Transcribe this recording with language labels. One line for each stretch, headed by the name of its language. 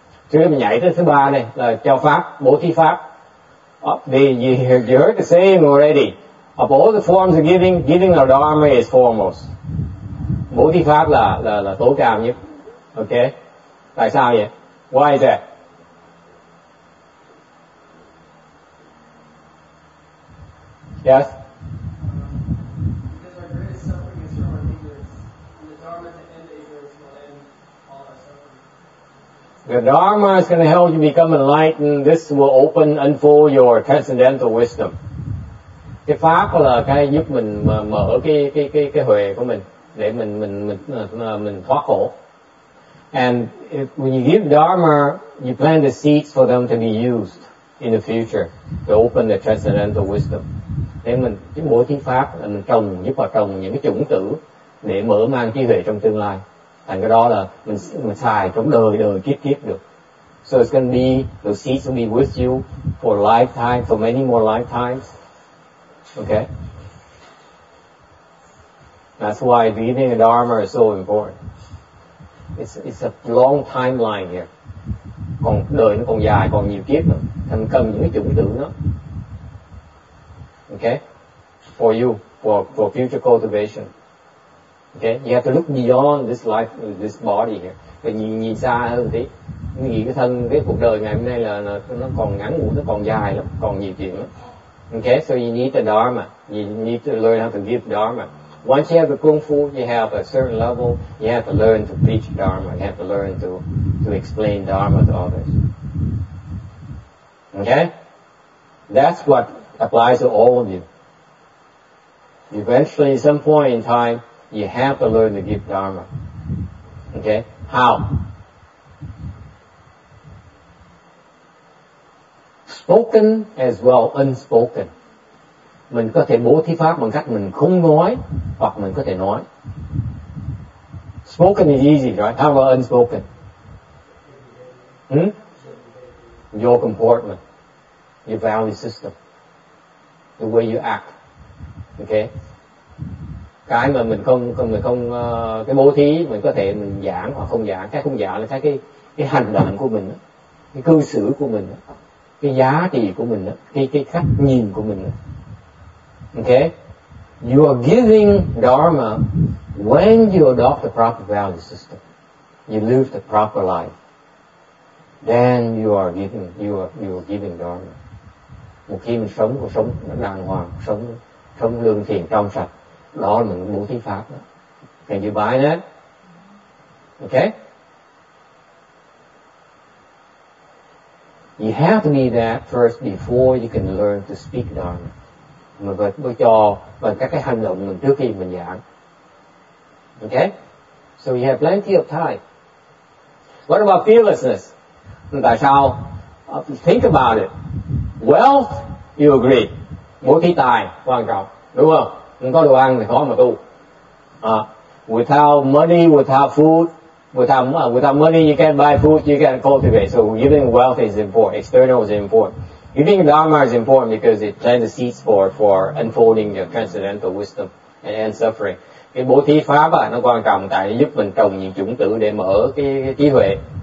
Vietnamese: Trước mình nhảy tới thứ ba này là cho pháp, bố thí pháp.
English: You heard the same already. Of all the forms of giving, giving the Dharma is foremost.
Vietnamese: Bố thí pháp là tối cao nhất.
English: Okay?
Vietnamese: Tại sao vậy?
English: Why is that? Yes? The Dharma is going to help you become enlightened. This will open, unfold your transcendental wisdom.
Vietnamese: Cái pháp là cái giúp mình mở cái huệ của mình để mình thoát khổ.
English: And if, when you give Dharma, you plant the seeds for them to be used in the future to open the transcendental wisdom.
Vietnamese: Để mình cái mỗi thiên pháp là mình trồng giúp họ trồng những cái chủng tử để mở mang trí huệ trong tương lai. Thành cái đó là mình xài trong đời đời kiếp kiếp được.
English: So it's going to be, the seeds will be with you for a lifetime, for many more lifetimes. Okay? That's why breathing and dharma is so important. It's a long timeline here.
Vietnamese: Còn đời nó còn dài, còn nhiều kiếp nữa. Thành cần những cái chủng tử nữa.
English: Okay? For you, for future cultivation. Okay? You have to look beyond this life, this body here.
Vietnamese: Và nhìn xa hơn tí. Nghĩ cái thân, cái cuộc đời ngày hôm nay là nó còn ngắn ngủ, nó còn dài lắm, còn nhiều chuyện lắm.
English: Okay? So you need the dharma. You need to learn how to give dharma. Once you have the kung fu, you have a certain level, you have to learn to preach dharma, you have to learn to explain dharma to others. Okay? That's what applies to all of you. Eventually, at some point in time, you have to learn to give dharma. Okay? How? Spoken as well unspoken.
Vietnamese: Mình có thể bố thí pháp bằng cách mình không nói, hoặc mình có thể nói.
English: Spoken is easy, right? How about unspoken? Your comportment, your value system, the way you act. Okay?
Vietnamese: Cái mà mình không cái bố thí, mình có thể mình giảng hoặc không giảng. Cái không giảng là cái hành động của mình, cái cư xử của mình, cái giá trị của mình, cái cách nhìn của mình.
English: Okay? You are giving dharma when you adopt the proper value system. You live the proper life. Then you are giving dharma.
Vietnamese: Một khi mình sống cuộc sống đàng hoàng, sống lương thiện trong sạch, đó là mình bố thí pháp đó.
English: Can you buy that? Okay? You have to be that first before you can learn to speak dharma.
Vietnamese: Mà phải cho bằng các cái hành động mình trước khi mình giảng.
English: Okay? So you have plenty of time. What about fearlessness?
Vietnamese: Tại sao?
English: Think about it. Wealth, you agree.
Vietnamese: Bố thí tài, quan trọng. Đúng không? Không có đồ ăn thì khó mà tu.
English: Without money, without food, without money you can't buy food, you can't cultivate. So giving wealth is important, external is important. Giving dharma is important because it plants the seeds for unfolding your transcendental wisdom and end suffering.
Vietnamese: Cái bố thí pháp nó quan trọng tại nó giúp mình trồng nhiều chủng tử để mở cái trí huệ.